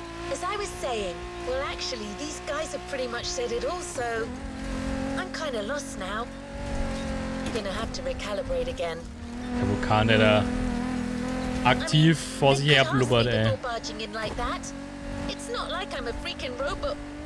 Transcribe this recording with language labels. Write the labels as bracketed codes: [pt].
[en] As I was saying, well, actually, these guys have pretty much said it all, so I'm kind of lost now. You're gonna have to recalibrate again. [de] Der Vulkan, der da aktiv vor sich her blubbert, ey. [en] Barging in like that. It's not like I'm a freaking robot.